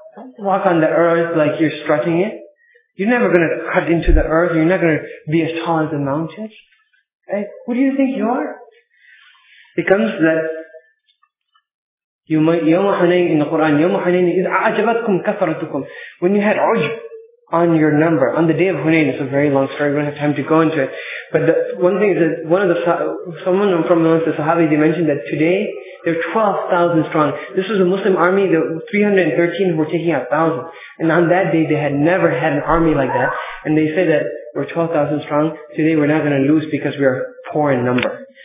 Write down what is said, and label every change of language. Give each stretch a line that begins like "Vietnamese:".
English: Don't walk on the earth like you're strutting it. You're never going to cut into the earth. You're not going to be as tall as the mountains. Right? Who do you think you are? It comes that
Arabic: يَوْمَ حُنَيْنِ
English: in the Quran,
Arabic: يَوْمَ حُنَيْنِ إِذْ أَعْجَبَتْكُمْ كَثَرَتُكُمْ.
English: When you had ujb on your number, on the day of Hunayn, it's a very long story, we don't have time to go into it. But the one thing is that someone from the Sahabi, they mentioned that today they're 12,000 strong. This was a Muslim army, the 313 were taking out 1,000. And on that day they had never had an army like that. And they say that we're 12,000 strong, today we're not going to lose because we are poor in number.